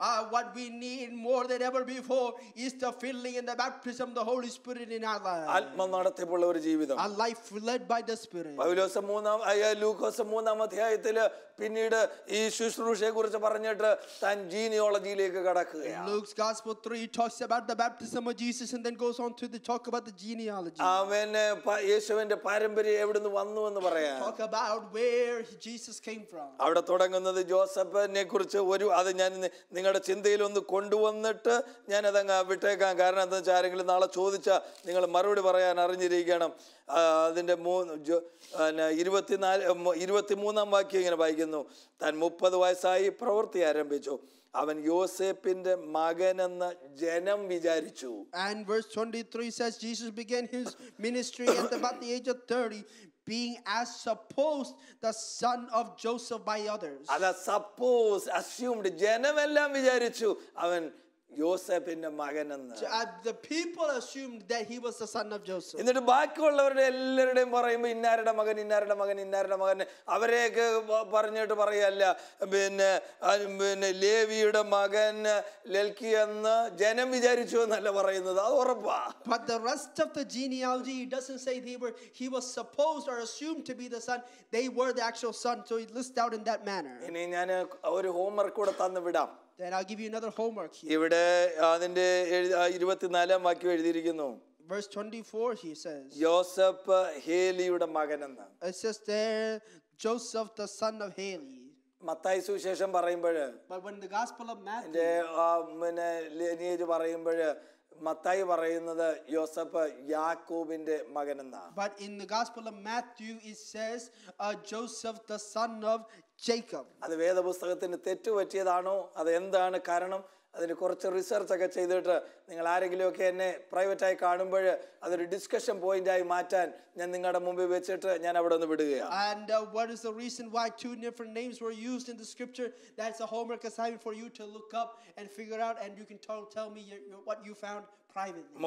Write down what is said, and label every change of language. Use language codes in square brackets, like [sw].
[en] What we need more than ever before is the filling and the baptism of the Holy Spirit in our life. [ml] ആത്മ നടത്തിപ്പുള്ള ഒരു ജീവിതം. [en] A life led by the Spirit. [ml] പൗലോസ് 3:3 പിന്നീട് ഈ ശുശ്രൂഷയെ കുറിച്ച് പറഞ്ഞിട്ട് താൻ ജീനിയോളജിയിലേക്ക് കടക്കുകയാണ്. [en] Luke's Gospel 3 talks about the baptism of Jesus and then goes on to talk about the genealogy. [ml] അവന് യേശുവിന്റെ പാരമ്പര്യം എവിടെ നിന്ന് വന്നു എന്ന് പറയാം. [en] Talk about where Jesus came from. [ml] അവിടെ തുടങ്ങുന്നത് ജോസഫിനെ കുറിച്ച് ഒരു അത് ഞാൻ നിങ്ങളുടെ ചിന്തയിൽ ഒന്ന് കൊണ്ടുവന്നിട്ട് ഞാൻ അത് അങ്ങ് വിട്ടേക്കാം. കാരണം എന്താ വെച്ചാൽ ആരെങ്കിലും നാളെ ചോദിച്ചാൽ നിങ്ങൾ മറുപടി പറയാൻ അറിഞ്ഞിരിക്കണം. അതിന്റെ 23 വാക്യം ഇങ്ങനെ വായിക്കുന്നു, താൻ 30 വയസ്സായി പ്രവൃത്തി ആരംഭിച്ചു, അവൻ യോസേഫിന്റെ മകൻ എന്ന ജനം വിചാരിച്ചു. [en] And verse 23 says Jesus began his ministry at about the age of 30, being as supposed the son of Joseph by others. [ml] അല്ല, supposed, assumed, ജനമെല്ലാം വിചാരിച്ചു അവൻ യോസേഫിന്റെ മകൻ എന്ന്. [en] The people assumed that he was the son of Joseph. [ml] എന്നിട്ട് ബാക്കിയുള്ളവരുടെ എല്ലാവരുടെയും പറയുമ്പോൾ ഇന്നാരുടെ മകൻ, ഇന്നാരുടെ മകൻ, ഇന്നാരുടെ മകൻ, അവരെയൊക്കെ പറഞ്ഞിട്ട് പറയല്ല, പിന്നെ ലേവിയുടെ മകൻ ലൽക്കി എന്ന് ജനം വിചാരിച്ചു എന്നല്ല പറയുന്നത്, അത് ഉറപ്പാ. [en] But the rest of the genealogy doesn't say he was supposed or assumed to be the son. They were the actual son, so it lists out in that manner. [ml] ഇനി ഞാൻ ഒരു ഹോംവർക്ക് കൂടെ തന്നു വിടാം. [en] Then I'll give you another homework here. [ml] ഇവിടെ അതിന്റെ 24-ാം വാക്യം എഴുതിയിരിക്കുന്നു. [en] Verse 24 he says. [ml] യോസേഫ് ഹേലിയുടെ മകൻ എന്ന്. [en] It says there Joseph the son of Heli. [ml] Mathai സുവിശേഷം പറയുമ്പോൾ. [en] But when the gospel of Matthew. [ml] ഇതിന്റെ അമ്മനെ ലീനേജ് പറയുമ്പോൾ മത്തായി പറയുന്നത് യോസേഫ് യാക്കോബിന്റെ മകൻ എന്നാ. [en] But in the gospel of Matthew it says Joseph the son of Jacob. [ml] അത് വേദപുസ്തകത്തിന് തെറ്റുപറ്റിയതാണോ അത് എന്താണ് കാരണം അതിന് കുറച്ച് റിസർച്ച് ഒക്കെ ചെയ്തിട്ട് നിങ്ങൾ ആരെങ്കിലും ഒക്കെ എന്നെ പ്രൈവറ്റായി കാണുമ്പോൾ അതൊരു ഡിസ്കഷൻ പോയിന്റ് ആയി മാറ്റാൻ ഞാൻ നിങ്ങളുടെ മുമ്പിൽ വെച്ചിട്ട് ഞാൻ അവിടെ നിന്ന് വിടുകയാണ്. [en] And what is the reason why two different names were used in the scripture? That's a homework assignment for you to look up and figure out, and you can tell me what you found privately.